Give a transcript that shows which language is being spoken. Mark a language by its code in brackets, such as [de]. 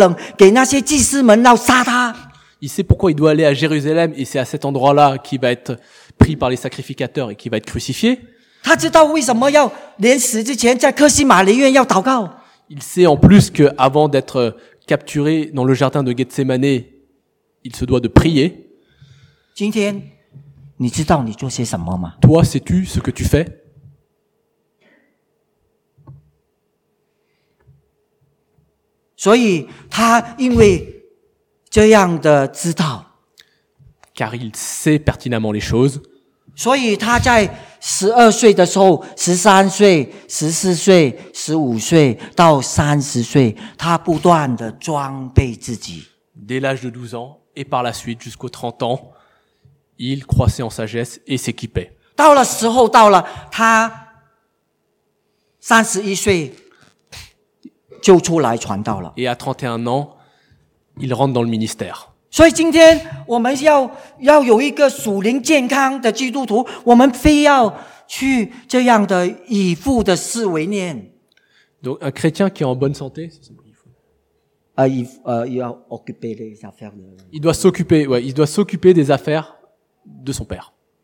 [zh] 他知道他为什么要上耶路撒冷给那些祭司们要杀他。 [fr] Il sait pourquoi il doit aller à Jérusalem et c'est à cet endroit-là qu'il va être pris par les sacrificateurs et qu'il va être crucifié. [zh] 他知道为什么要临死之前在科西玛利院要祷告。 [fr] Il sait en plus que avant d'être capturé dans le jardin de Gethsémané, il se doit de prier. [zh] 今天，你知道你做些什么吗？ [fr] Toi, sais-tu ce que tu fais? [zh] 所以他因为这样的知道， [fr] car il sait pertinemment les choses， [zh] 所以他在12岁的时候，13岁、14岁、15岁到30岁，他不断的装备自己。 [fr] Dès l'âge de 12 ans et par la suite jusqu'aux 30 ans， il croissait en sagesse et s'équipait. [zh] 到了时候，到了他31岁就出来传道了。 [fr] Et à 31 ans, il rentre dans le ministère. [zh] 所以今天我们要有一个属灵健康的基督徒，我们非要去这样的以父的思维念。 [fr] Donc un chrétien qui est en bonne santé, il doit s'occuper, ouais, il doit s'occuper des affaires de son père.